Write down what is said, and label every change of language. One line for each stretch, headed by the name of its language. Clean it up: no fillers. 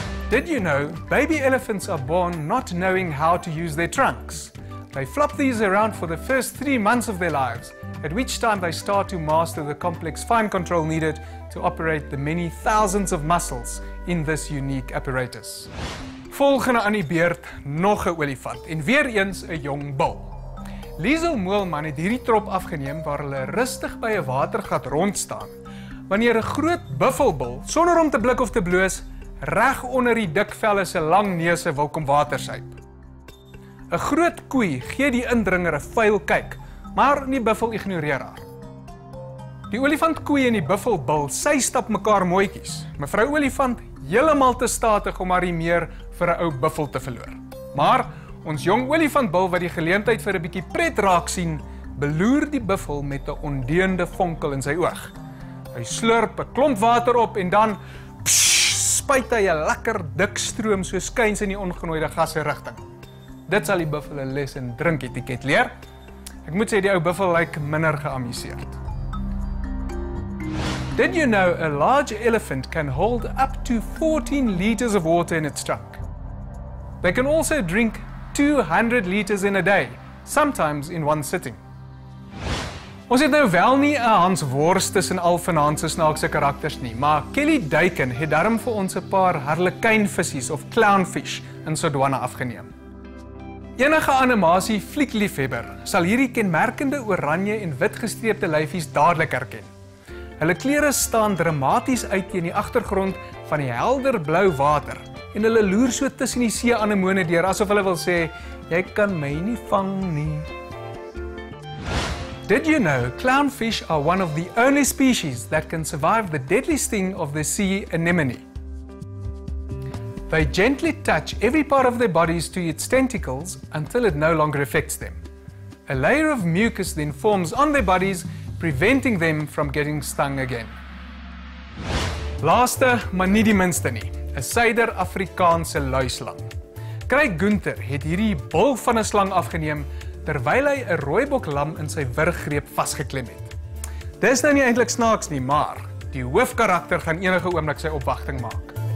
English: Did you know baby elephants are born not knowing how to use their trunks? They flop these around for the first 3 months of their lives, at which time they start to master the complex fine control needed to operate the many thousands of muscles in this unique apparatus.
Afrikaans: Volgende aan die beurt, nog 'n olifant en weer eens 'n jong bul. Liesel Moelman het hierdie trop afgeneem waar hulle rustig by 'n watergat rondstaan, wanneer 'n groot buffelbul, sonder om te blik of te bloos, reg onder die dik velle se lang neuse wil kom water suip. 'n Groot koei gee die indringer 'n vuil kyk, maar die buffel ignoreer haar. Die olifant koei en die buffel bul sy stap mekaar mooietjies. Mevrou olifant heeltemal te statig om haar meer vir 'n ou buffel te verloor. Maar ons jong olifant bul wat die geleentheid vir 'n bietjie pret raak sien, beloer die buffel met 'n ondeende vonkel in sy oog. Hy slurp 'n klomp water op en dan spuit hy 'n lekker dik stroom so skuins in die ongenooide gas se rigting. Dit sal die buffel 'n les in drinketiket leer. Ek moet sê die ou buffel lyk minder geamuseerd.
English: Did you know a large elephant can hold up to 14 liters of water in its trunk? They can also drink 200 liters in a day, sometimes in one sitting.
Afrikaans: Ons het nou wel nie 'n hansworst tussen al vanaand se snaakse karakters nie, maar Kelly Duiken het daarom vir ons 'n paar harlekynvissies of clownfish in Sodwana afgeneem. Enige animasie fliekliefhebber sal hierdie kenmerkende oranje en wit gestreepte lyfies dadelik herken. Hulle klere staan dramaties uit teen die agtergrond van die helder blou water en hulle loer so tussen die seeanemone deur asof hulle wil sê, "Jy kan my nie vang nie."
English: Did you know clownfish are one of the only species that can survive the deadly sting of the sea anemone? They gently touch every part of their bodies to its tentacles until it no longer affects them. A layer of mucus then forms on their bodies, preventing them from getting stung again.
Afrikaans: Laaste, maar nie die minste nie, 'n Suider-Afrikaanse luislang. Kry Gunther het hierdie bul van 'n slang afgeneem terwyl hy 'n rooibok lam in sy wurggreep vasgeklem het. Dis nou nie eintlik snaaks nie, maar die hoofkarakter gaan enige oomblik sy opwagting maak.